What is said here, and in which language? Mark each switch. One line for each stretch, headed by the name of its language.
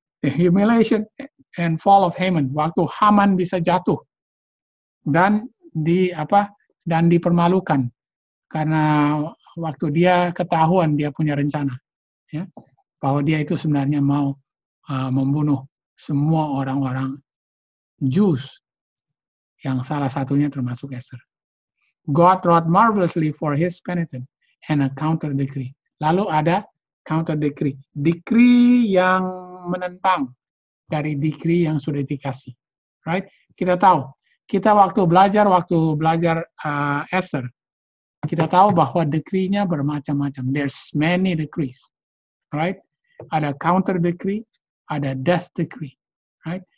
English: The humiliation and fall of Haman,
Indonesian: waktu Haman bisa jatuh dan dipermalukan karena waktu dia ketahuan dia punya rencana, ya, bahwa dia itu sebenarnya mau membunuh semua orang-orang Jews yang salah satunya termasuk Esther.
English: God wrought marvelously for his penitent and a counter decree.
Indonesian: Lalu ada counter decree. Decree yang menentang dari decree yang sudah dikasih. Right? Kita tahu, kita waktu belajar Esther, kita tahu bahwa decree-nya bermacam-macam.
English: There's many decrees. Right?
Indonesian: Ada counter decree, ada death decree.
English: Right?